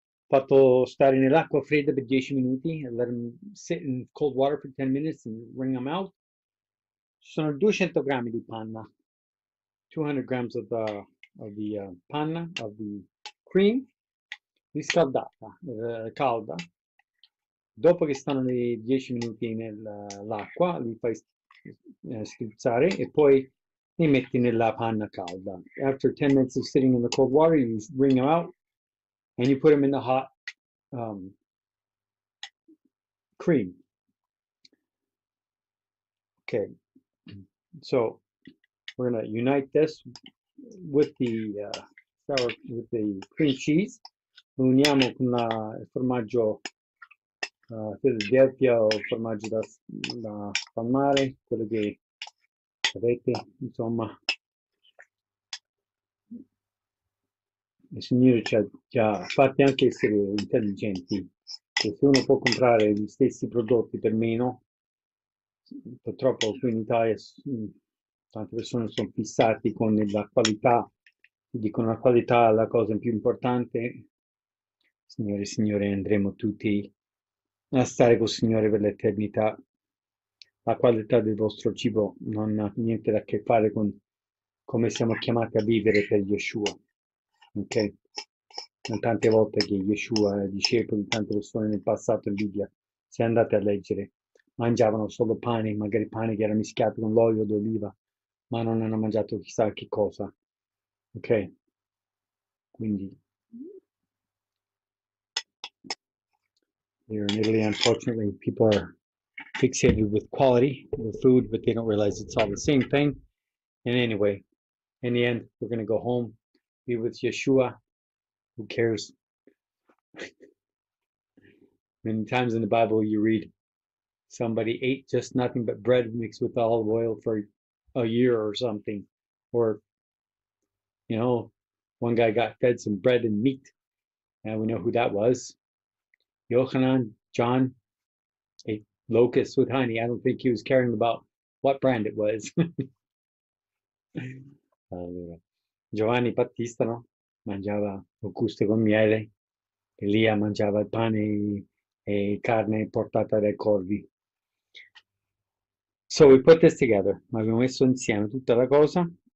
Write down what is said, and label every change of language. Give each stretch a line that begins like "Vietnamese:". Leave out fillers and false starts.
Italian: Fatto stare nell'acqua fredda per 10 minuti.
English: And let them sit in cold water for 10 minutes and wring them out.
Italian: Sono 200 grammi di panna.
English: 200 grams of the panna, of the cream.
Italian: Riscaldata, calda. Dopo che stanno i 10 minuti nell'acqua, li fai schizzare e poi li metti nella panna calda.
English: After 10 minutes of sitting in the cold water, you wring them out and you put them in the hot cream. Okay, so we're going to unite this with the sour, with the cream cheese.
Italian: Uniamo con il formaggio. Philadelphia o formaggio da spalmare, quello che avete, insomma. Il signore ci ha già fatti anche essere intelligenti, che se uno può comprare gli stessi prodotti per meno, purtroppo qui in Italia Tante persone sono fissate con la qualità, dicono la qualità è la cosa più importante. Signore e signore, andremo tutti a stare col Signore per l'eternità. La qualità del vostro cibo non ha niente da che fare con come siamo chiamati a vivere per Yeshua. Ok? Tante volte che Yeshua, i discepoli, tante persone nel passato in Bibbia, se andate a leggere, mangiavano solo pane, magari pane che era mischiato con l'olio d'oliva, ma non hanno mangiato chissà che cosa. Ok?
English: Quindi, here in Italy, unfortunately, people are fixated with quality of food, but they don't realize it's all the same thing. And anyway, in the end, we're going to go home, be with Yeshua. Who cares? Many times in the Bible, you read somebody ate just nothing but bread mixed with olive oil for a year or something. Or, you know, one guy got fed some bread and meat. And we know who that was. Yohanan, John, ate locusts with honey. I don't think he was caring about what brand it was.
Italian: Allora, Giovanni Battista, no? Mangiava locuste con miele, Elia mangiava il pane e carne portata dai corvi.
English: So we put this together,
Italian: ma abbiamo messo insieme tutta la cosa.